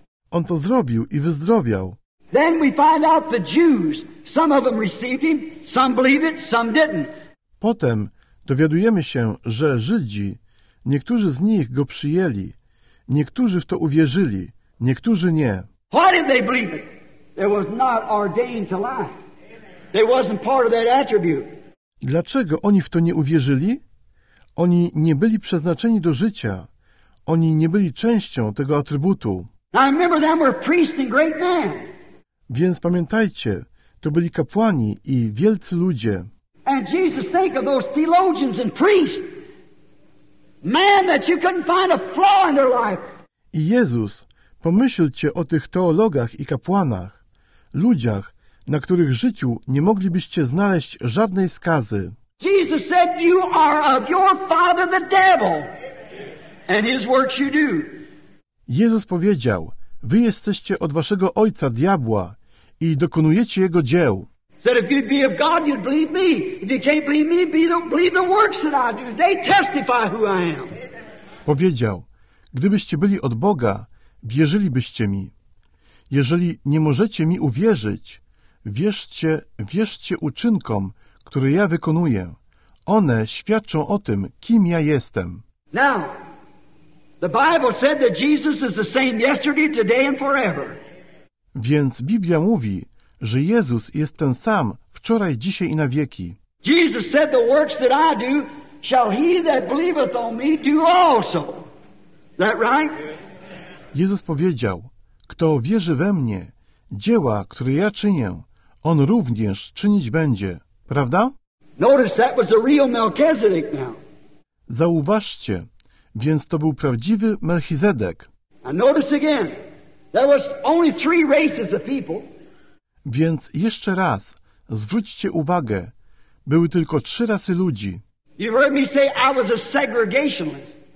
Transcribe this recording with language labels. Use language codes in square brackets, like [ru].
[pl] On to zrobił i wyzdrowiał. [en] Then we find out the Jews, some of them received him, some believed it, some didn't. [pl] Potem dowiadujemy się, że Żydzi, niektórzy z nich go przyjęli, niektórzy w to uwierzyli, niektórzy nie. [en] Why did they believe it? There was not ordained to life. They wasn't part of that attribute. [pl] Dlaczego oni w to nie uwierzyli? Oni nie byli przeznaczeni do życia. Oni nie byli częścią tego atrybutu. [en] Now remember, they were priests and great men. [pl] Więc pamiętajcie, to byli kapłani i wielcy ludzie. [en] And Jesus, think of those theologians and priests. Man, that you couldn't find a flaw in their life. [pl] I Jezus, pomyślcie o tych teologach i kapłanach, ludziach, na których życiu nie moglibyście znaleźć żadnej skazy. [en] Jesus said, you are of your father the devil, and his works you do. [pl] Jezus powiedział, wy jesteście od waszego ojca diabła i dokonujecie jego dzieł. [en] Said, if you'd be of God, you'd believe me. If you can't believe me, believe the works that I do. They testify who I am. [pl] Powiedział, gdybyście byli od Boga, wierzylibyście mi. Jeżeli nie możecie mi uwierzyć, wierzcie uczynkom, które ja wykonuję. One świadczą o tym, kim ja jestem. [en] Now, the Bible said that Jesus is the same yesterday, today and forever. [pl] Więc Biblia mówi, że Jezus jest ten sam wczoraj, dzisiaj i na wieki. [en] Jesus said, the works that I do, shall he that believeth on me do also. Is that right? [pl] Jezus powiedział, kto wierzy we mnie, dzieła, które ja czynię, on również czynić będzie. Prawda? [en] Notice that was a real Melchizedek now. [pl] Zauważcie, więc to był prawdziwy Melchizedek. [en] And notice again, there was only three races of people. [pl] Więc jeszcze raz, zwróćcie uwagę, były tylko trzy rasy ludzi. [en] You've heard me say I was a segregationist.